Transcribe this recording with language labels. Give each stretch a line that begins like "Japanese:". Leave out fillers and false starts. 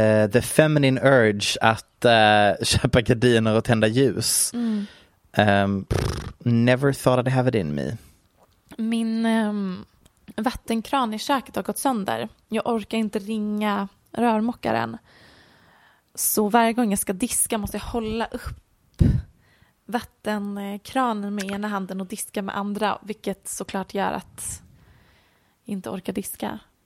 English: The feminine urge
Swedish: att köpa gardiner och tända ljus.
English: Never thought I'd have it in me.
Swedish: Min vattenkran i köket har gått sönder. Jag orkar inte ringa rörmokaren. Så varje gång jag ska diska måste jag hålla upp vattenkranen med ena handen och diska med andra, vilket såklart gör att jag inte orkar diska.